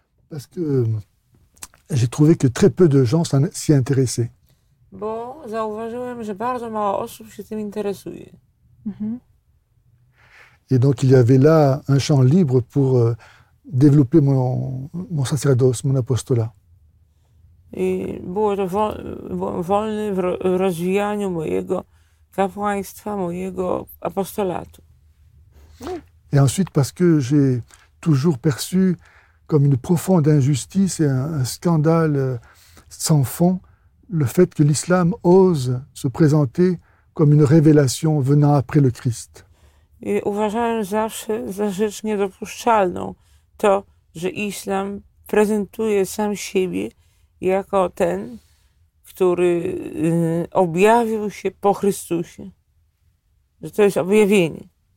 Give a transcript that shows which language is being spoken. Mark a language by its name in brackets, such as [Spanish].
[French] Parce que j'ai trouvé que très peu de gens s'y intéressaient. [Polish] Bo zauważyłem, że bardzo mało osób się tym interesuje. [French] Et donc il y avait là un champ libre pour développer mon sacerdoce, mon apostolat. [Polish] I było to wolne w rozwijaniu mojego kapłaństwa, mojego apostolatu. [French] Et ensuite parce que j'ai toujours perçu comme une profonde injustice et un scandale sans fond le fait que l'islam ose se présenter comme une révélation venant après le Christ. [Polish] I uważałem zawsze za rzecz niedopuszczalną to, że islam prezentuje sam siebie jako ten, który objawił się po Chrystusie. Że to jest objawienie.